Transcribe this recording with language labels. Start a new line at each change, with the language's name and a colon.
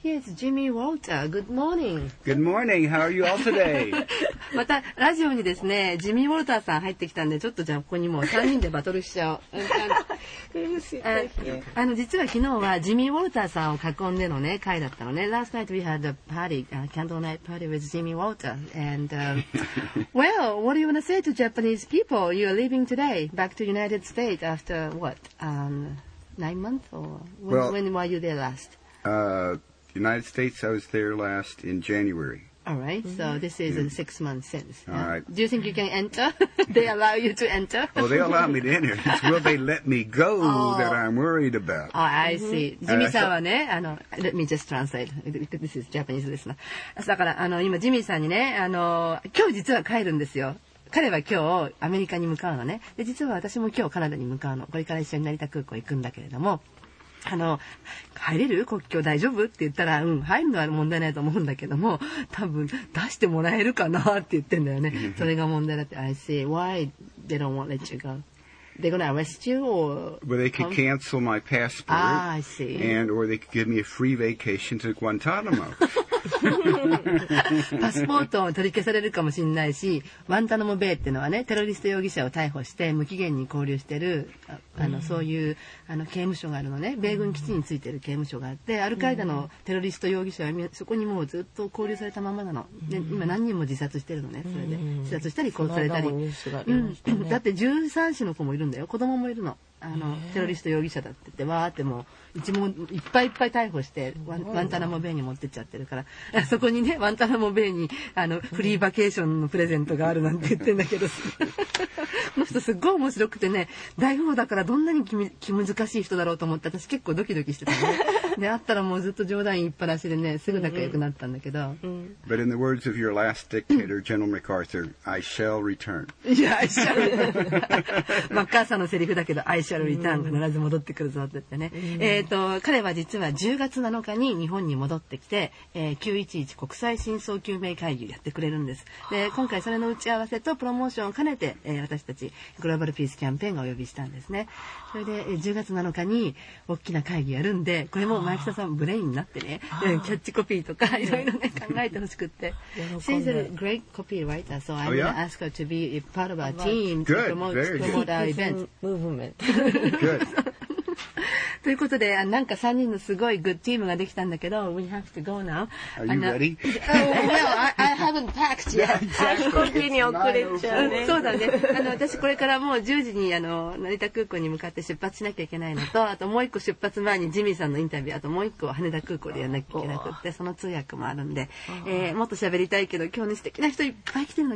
English: Here's Jimmy Walter. Good morning. Good morning. How are you all today?
Japanese: またラジオにですねジミー・ウォルターさん入ってきたんでちょっとじゃあここにもう3人でバトルしちゃおう。よし。あの実は昨日はジミー・ウォルターさんを囲んでのね会だったのね。
English: Last night we had a party, a candlelight party with Jimmy Walter. And well, what do you want to say to Japanese people? You are leaving today back to United States after what? 9 months or when were you there last? United States, I was there last in January. All right, so this is in 6 months since. All right. Do you think you can enter? They allow you to enter? Well, they allow me to enter. It's will they let me go that I'm worried about. Oh, I see. Jimmy-san
Japanese: はね、あの、
English: let me just translate. This is Japanese listener.
Japanese: だから、あの、今、Jimmy-san にね、あの、今日実は帰るんですよ。彼は今日アメリカに向かうのね。で、実は私も今日カナダに向かうの。これから一緒に成田空港行くんだけれども。あの入れる国境大丈夫って言ったら、うん、入るのは問題ないと思うんだけども多分出してもらえるかなって言ってんだよね。それが問題だって。
English: I see. Why they don't want to let you go? They're going to arrest you or... Well, they could cancel my passport. Ah, I see. And or they could give me a free vacation to Guantanamo.
Japanese: パスポートを取り消されるかもしれないし、ワンタナモベイっていうのはね、テロリスト容疑者を逮捕して無期限に拘留してる、あの、うん、そういうあの刑務所があるのね。米軍基地についてる刑務所があって、うん、アルカイダのテロリスト容疑者はそこにもうずっと拘留されたままなの、うん、で今何人も自殺してるのね。それで自殺したり殺されたり、だって13歳の子もいるんだよ。子供もいるの。あのテロリスト容疑者だって言ってわーってもう一問いっぱいいっぱい逮捕してワンタナモベイに持ってっちゃってるから、そこにねワンタナモベイにあのフリーバケーションのプレゼントがあるなんて言ってんだけど、この人すっごい面白くてね、大富豪だからどんなに気難しい人だろうと思って私結構ドキドキしてたね。で会ったらもうずっと冗談言いっぱなしでね、すぐ仲良くなったんだけど。
English: But in the words of your last dictator, General MacArthur, I shall return. Yeah, I shall.
Japanese: マッカーサーのセリフだけど、
English: I shall return.
Japanese: 必ず戻ってくるぞって言ってね。彼は実は10月7日に日本に戻ってきて、911国際真相究明会議をやってくれるんです。で、今回それの打ち合わせとプロモーションを兼ねて、私たちグローバルピースキャンペーンがお呼びしたんですね。それで、10月7日に大きな会議やるんで、これも前北さんブレインになってね、キャッチコピーとかいろいろね考えてほしくって。
English: She's a great copywriter, so I'm going to ask her to be a part of our team to promote our event. Movement.
Japanese: ということで、なんか3人のすごいグッチームができたんだけど、
English: We have to go now. Are you ready? Oh, well, I haven't packed yet.
Japanese: コピーに遅れちゃうね。そうだね。あの、私これからもう10時に、あの、成田空港に向かって出発しなきゃいけないのと、あともう一個出発前にジミーさんのインタビュー、あともう一個は羽田空港でやらなきゃいけなくって、その通訳もあるんで、もっと喋りたいけど、今日ね、素敵な人いっぱい来てるの。